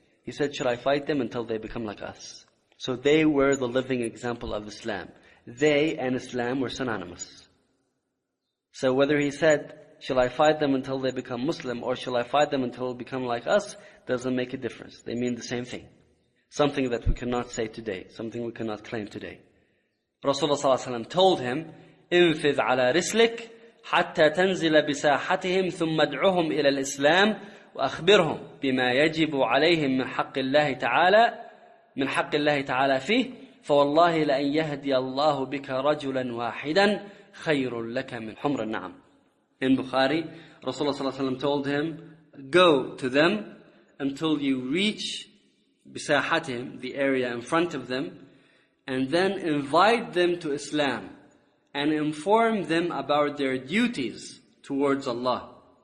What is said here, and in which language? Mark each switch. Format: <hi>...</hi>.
<en>He said, should I fight them until they become like us? So they were the living example of Islam. They and Islam were synonymous. So whether he said, shall I fight them until they become Muslim, or shall I fight them until they become like us, doesn't make a difference. They mean the same thing. Something that we cannot say today. Something we cannot claim today. Rasulullah ﷺ told him,</en> <ar>انفذ على رسلك حتى تنزل بساحتهم ثم ادعوهم إلى الإسلام وأخبرهم بما يجب عليهم من حق الله تعالى من حق الله تعالى فيه فوالله لأن يهدي الله بك رجلا واحدا خير لك من حمر النعم.</ar> <en>In Bukhari, Rasulullah صلى الله عليه وسلم told him, go to them until you reach بساحتهم, the area in front of them, and then invite them to Islam and inform them about their duties towards Allah.</en>